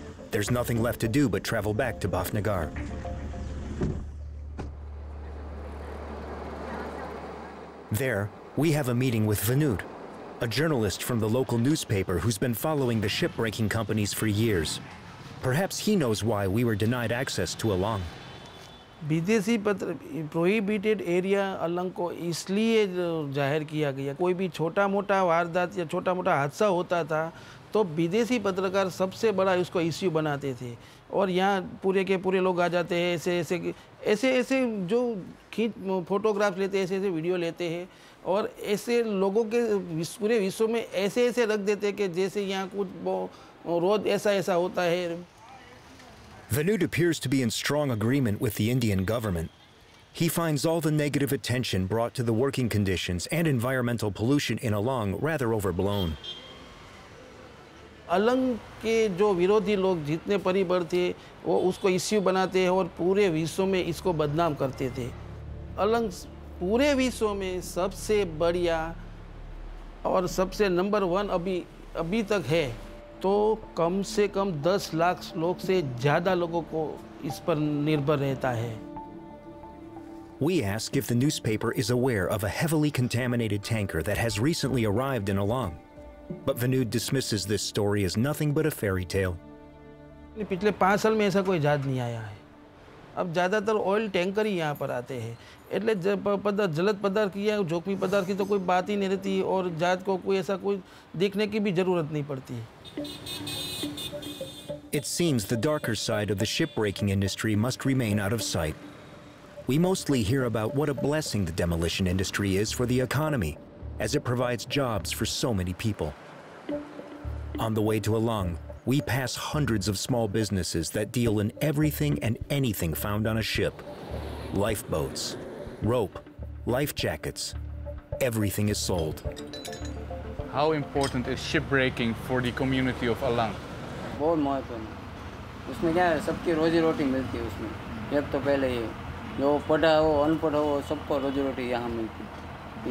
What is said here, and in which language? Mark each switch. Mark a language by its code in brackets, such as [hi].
[en] There's nothing left to do but travel back to Bhavnagar. There, we have a meeting with Vinod, a journalist from the local newspaper who's been following the shipbreaking companies for years. Perhaps he knows why we were denied access to Along. [hi] BDC पत्र prohibited area Alang को इसलिए जाहिर किया गया कोई भी छोटा मोटा वारदात या छोटा मोटा हादसा होता था तो विदेशी पत्रकार सबसे बड़ा उसको इश्यू बनाते थे और यहाँ पूरे के पूरे लोग आ जाते हैं ऐसे ऐसे ऐसे ऐसे जो खींच फोटोग्राफ लेते हैं ऐसे ऐसे वीडियो लेते हैं और ऐसे लोगों के पूरे विश्व में ऐसे ऐसे रख देते हैं कि जैसे यहाँ कुछ रोज ऐसा ऐसा होता है. [en] Vinod appears to be in strong agreement with the Indian government. He finds all the negative attention brought to the working conditions and environmental pollution in Along rather overblown. [hi] Along ke jo virodhi log jitne paribar the wo usko issue banate hain aur pure vishwa mein isko badnaam karte the. Along pure vishwa mein sabse badhiya aur sabse number 1 abhi tak hai. तो कम से कम 10 लाख लोग से ज्यादा लोगों को इस पर निर्भर रहता है. [en] We ask if the newspaper is aware of a heavily contaminated tanker that has recently arrived in Along. But Vinod dismisses this story as nothing but a fairy tale. [hi] पिछले 5 साल में ऐसा कोई जहाज नहीं आया है. अब ज्यादातर ऑयल टैंकर ही यहाँ पर आते हैं एटले जलत पदार्थ या जोखमी पदार्थ की तो कोई बात ही नहीं रहती और जहाज को कोई ऐसा कोई देखने की भी जरूरत नहीं पड़ती. [en] It seems the darker side of the shipbreaking industry must remain out of sight. We mostly hear about what a blessing the demolition industry is for the economy, as it provides jobs for so many people. On the way to Along, we pass hundreds of small businesses that deal in everything and anything found on a ship. Lifeboats, rope, life jackets, everything is sold. How important is shipbreaking for the community of Along? [hi] बहुत महत्व है उसमें. क्या है सबकी रोजी रोटी मिलती है उसमें. एक तो पहले ये जो पढ़ा हो अनपढ़ हो सबको रोजी रोटी यहाँ मिलती है.